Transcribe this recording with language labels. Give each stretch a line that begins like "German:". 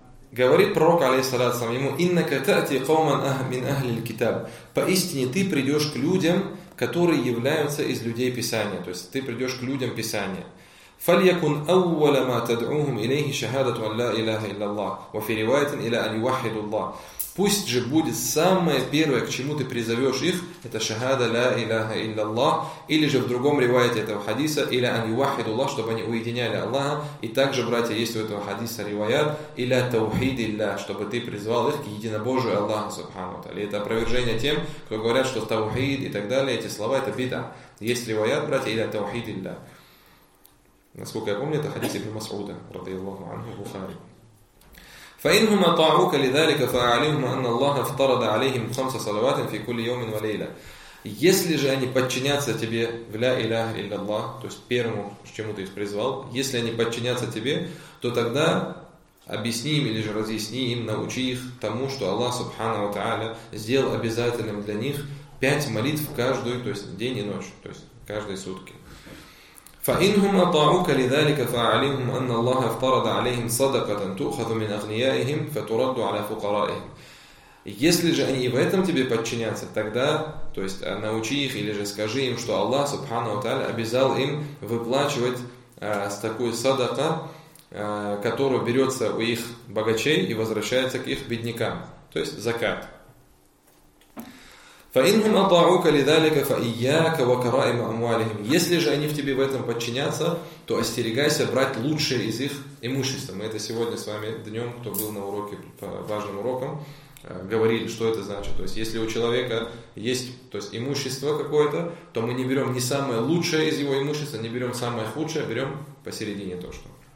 Russian: Говорит пророк,
Arabic: алейхиссалям, ему, «Иннака тати кауман мин ахли аль-китаб».
Russian: Поистине ты придешь к людям, которые являются из людей Писания. То есть ты придешь к людям Писания.
Arabic: فليكن أول ما تدعوهم إليه شهادة أن لا إله إلا الله وفي رواية إلى أن يوحدوا الله.
Russian: Пусть же будет самое первое, к чему ты призовешь их, это шахада «Ла Илляха Илляллах», или же в другом ривайте этого хадиса «Илля ан ювахиду Аллах», чтобы они уединяли Аллаха. И также, братья, есть у этого хадиса ривайат «Илля таухид Иллях», чтобы ты призвал их к единобожию Аллаха, субхану тали. Это опровержение тем, кто говорят, что таухид и так далее, эти слова – это бита. Есть ривайат, братья, «Илля таухид Иллях». Насколько я помню, это хадис ибн Масуда, радиаллаху анху, Бухари.
Arabic: فإنهم أطاعوك لذلك فأعلمهم أن الله افترض عليهم خمس صلوات في كل يوم وليلة.
Russian: Если же они подчинятся тебе в ля илляха илляллах, то есть первому, чему ты их призвал, если они подчинятся тебе, то тогда объясни им или же разъясни им, научи их тому, что Аллах Субхана ва Тааля сделал обязательным для них пять молитв каждую, то есть день и ночь, то есть каждые сутки.
Arabic: فإنهم أطاعوك لذلك فأعلمهم أن الله افترض عليهم صدقة تؤخذ من أغنيائهم فترد على فقرائهم.
Russian: Если же они и в этом тебе подчинятся, тогда, то есть научи их или же скажи им, что Аллах Субхана ва Тааля обязал им выплачивать с такой садака, которую берется у их богачей и возвращается к их беднякам, то есть закат.
Arabic: فإنهم أطاعوك لذلك فإياك وكرائم أموالهم.
Russian: Если же они в тебе в этом подчинятся, то остерегайся брать лучшее из их имущества. Мы это сегодня с вами днем, кто был на уроке по важным урокам, говорили, что это значит. То есть, если у человека есть, то есть, имущество какое-то, то мы не берем не самое лучшее из его имущества, не берем самое худшее, берем посередине то, что.